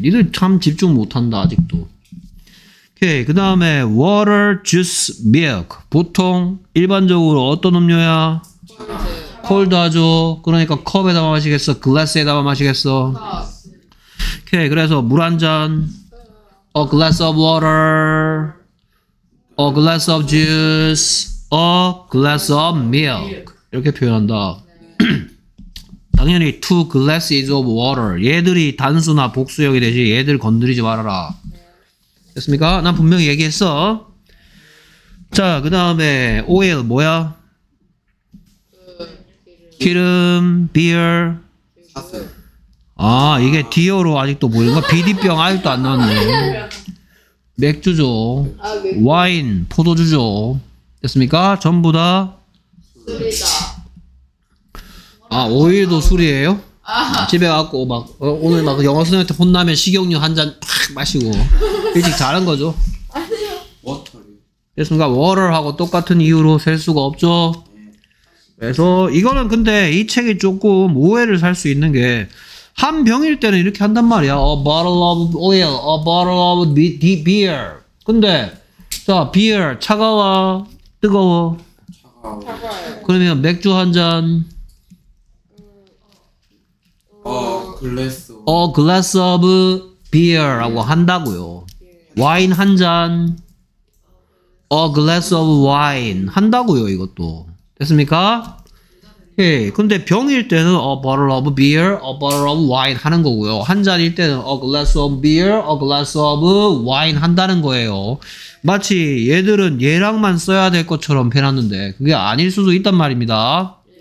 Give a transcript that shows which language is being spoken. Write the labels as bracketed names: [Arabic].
[Korean] 니들 참 집중 못한다 아직도. 그 다음에 [English] water, juice, milk. [Korean] 보통 일반적으로 어떤 음료야? 콜드하죠. 그러니까 컵에 담아 마시겠어? 글래스에 담아 마시겠어? 오케이. 그래서 물 한 잔. [English] A glass of water. A glass of juice. A glass of milk. [Korean] 이렇게 표현한다. 당연히 [English] two glasses of water. [Korean] 얘들이 단수나 복수형이 되지 얘들 건드리지 말아라. 됐습니까? 난 분명히 얘기했어. 자, 그 다음에 오일 뭐야? 기름, 비어. 아, 이게 디어로 아직도 보이는가? 비디병 아직도 안 나왔네. 맥주죠. 와인, 포도주죠. 됐습니까? 전부 다 술이다. 아, 오일도 술이에요? 집에 가서 막 오늘 막 영어 선생님한테 혼나면 식용유 한 잔 팍 마시고 일찍 자는 거죠. 아니요. 됐습니까? 워터하고 똑같은 이유로 셀 수가 없죠. 그래서 이거는 근데 이 책이 조금 오해를 살 수 있는 게 한 병일 때는 이렇게 한단 말이야. [English] A bottle of oil, a bottle of beer. [Korean] 근데 자, beer 차가워? 뜨거워? 차가워요. 그러면 맥주 한 잔? [English] A glass of beer라고 [Korean] 한다고요. 와인 한 잔. [English] A glass of wine [Korean] 한다고요. 이것도 됐습니까? 예. 근데 병일 때는 [English] a bottle of beer, a bottle of wine [Korean] 하는 거고요. 한 잔일 때는 [English] a glass of beer, a glass of wine [Korean] 한다는 거예요. 마치 얘들은 얘랑만 써야 될 것처럼 해놨는데 그게 아닐 수도 있단 말입니다.